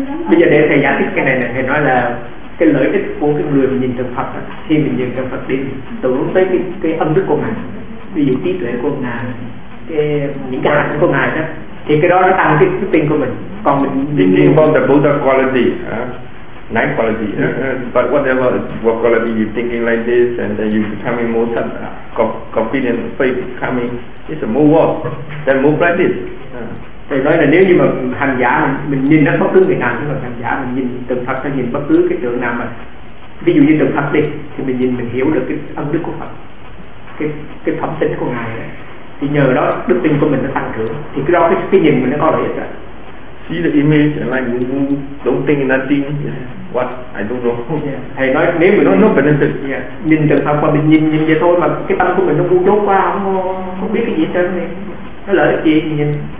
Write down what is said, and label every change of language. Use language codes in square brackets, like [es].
[vi] Bây giờ để thầy giải thích cái này nè, thầy nói là cái lợi ích của cái người mình nhìn tượng Phật đó, khi mình nhìn tượng Phật thì tưởng tới cái âm đức của ngài, ví dụ trí tuệ của ngài, những cái hạnh của ngài đó, thì cái đó nó tăng cái tin của mình. Còn mình nhìn [en] about the Buddha quality, nine quality. But whatever, what quality you thinking like this, and then you becoming more confident, faith coming, it's a move on. Then move like this. [vi] Thầy nói là nếu như mà hành giả mình nhìn nó bất cứ ngày nào, nhưng mà hành giả mình nhìn tượng Phật, mình nhìn bất cứ cái tượng nào mà ví dụ như tượng Phật đi, thì mình nhìn mình hiểu được cái ân đức của Phật, cái phẩm tính của ngài đấy. Thì nhờ đó đức tin của mình nó tăng trưởng, thì cái đó cái nhìn mình nó có lợi ích rồi. [en] See the image and like don't think nothing. Yeah. What I don't know. [vi] Yeah. Thầy nói nếu mình nó [en] benefit. Yeah. [vi] Nhìn tượng Phật mà mình nhìn vậy thôi mà cái tâm của mình nó ngu dốt quá, không biết cái gì hết trơn, nó lợi ích gì nhìn.